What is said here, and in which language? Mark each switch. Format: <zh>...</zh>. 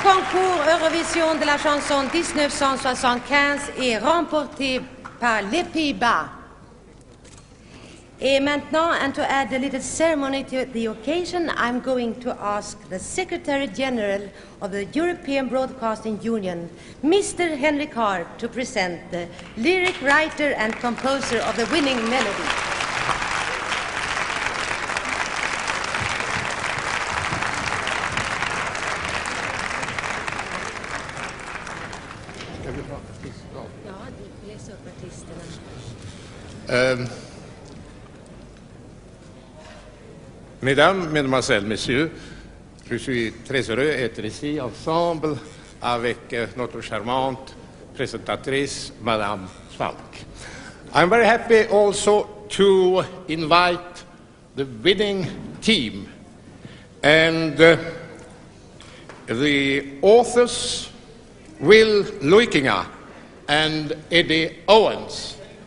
<fr>Pour Eurovision de la chanson 1975 est remporté par les Pays-Bas. Et maintenant,</fr> <en>and to add a little ceremony to the occasion, I'm going to ask the Secretary General of the European Broadcasting Union, Mr. Henry Carr, to present the lyric writer and composer of the winning melody.</en> <fr>Mesdames, mesdemoiselles, messieurs, je suis très heureux d'être ici ensemble avec notre charmante présentatrice, Madame Falck.</fr> <en>I'm very happy also to invite the winning team and the authors, Will Luikinga and Eddie Owens.</en>